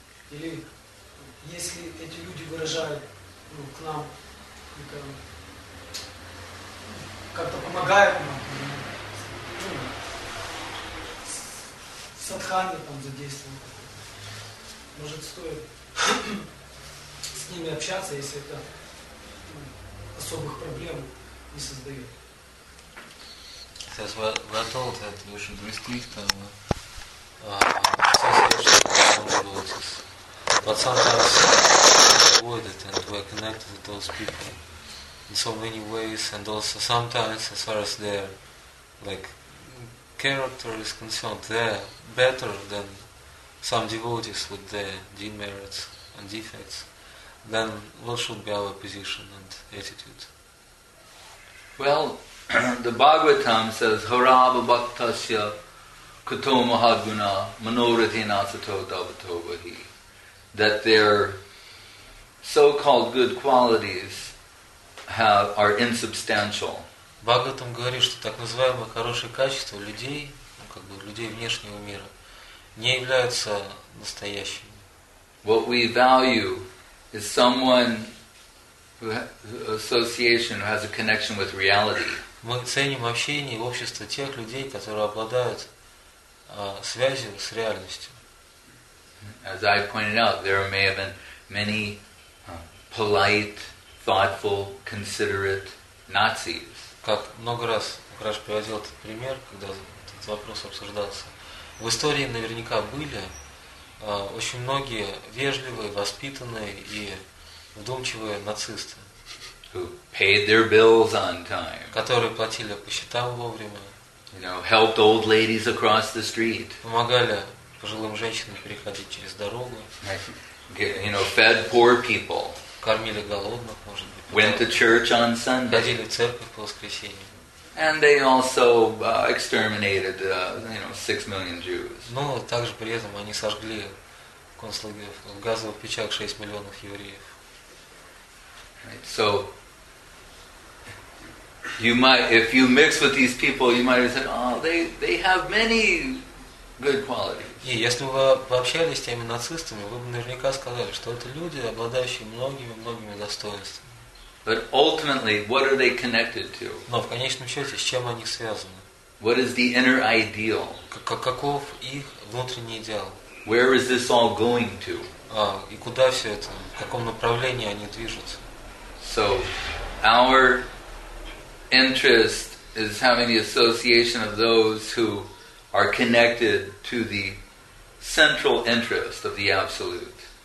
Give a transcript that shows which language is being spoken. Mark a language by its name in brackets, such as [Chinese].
[Russian] Или если эти люди выражают, ну, к нам, как-то помогают нам, ну, садхане там задействованы, может, стоит с ними общаться, если это, ну, особых проблем не создает. Сейчас готов ответ, вы еще близки к тому. Сейчас [English] but sometimes avoided and were connected with those people in so many ways, and also sometimes as far as their like character is concerned, they're better than some devotees with their demerits and defects. Then what should be our position and attitude? Well, the Bhagavatam says, [Sanskrit] Harava Bhaktasya Kato Mahaguna Manorati Nasato Davatovahi, [English] that their so-called good qualities are insubstantial. [Russian] Bhagavatam говорит, что так называемые хорошие качества людей, ну, как бы людей внешнего мира, не являются настоящими. [English] What we value is someone who association who has a connection with reality. [Russian] Мы ценим общение и общество тех людей, которые обладают связью с реальностью. [English] As I pointed out, there may have been many polite, thoughtful, considerate Nazis. [Russian] Как много раз Краш приводил этот пример, когда этот вопрос обсуждался. В истории наверняка были очень многие вежливые, воспитанные и вдумчивые нацисты, [English] who paid their bills on time, [Russian] которые платили по счетам вовремя, [English] you know, helped old ladies across the street, [Russian] помогали пожилым женщинам переходить через дорогу, [English] you know, fed poor people, [Russian] кормили голодных, может быть, [English] went to church on Sunday, [Russian] ходили в церковь по воскресеньям. [English] And they also exterminated, you know, 6 million Jews. [Russian] Но также при этом они сожгли концлагерь в газовых печах 6 миллионов евреев. [English] Right. So you might, if you mix with these people, you might have said, oh, they have many good qualities. [Russian] И если бы вы общались с теми нацистами, вы бы наверняка сказали, что это люди, обладающие многими достоинствами. [English] But ultimately, what are they connected to? [Russian] Но в конечном счете, с чем они связаны? [English] What is the inner ideal? [Russian] Каков их внутренний идеал? [English] Where is this all going to? [Russian] И куда все это? В каком направлении они движутся? [English] So, our interest is having the association of those who are connected to the central interest of the Absolute.